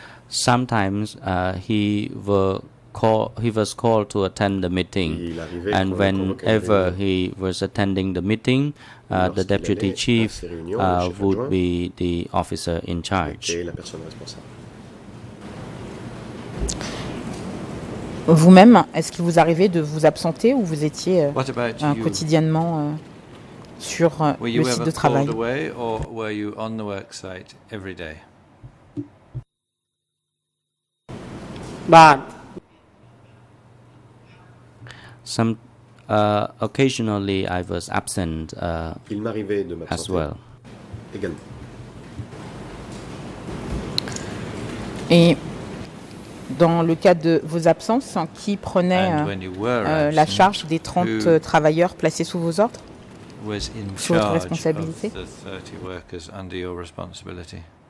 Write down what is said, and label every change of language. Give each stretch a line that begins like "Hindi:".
English: sometimes he was called to attend the meeting, and whenever he was attending the meeting, the deputy chief would be the officer in charge.
French: Vous-même, est-ce qu'il vous arrivait de vous absenter ou vous étiez quotidiennement sur le site de travail?
English: Occasionally I was absent
French: il m'arrivait de m'absenter
English: as well.
French: Également. Et dans le cadre de vos absences, qui prenait la charge des 30 travailleurs placés sous vos ordres?
English: Was in charge of the 30 workers under your responsibility.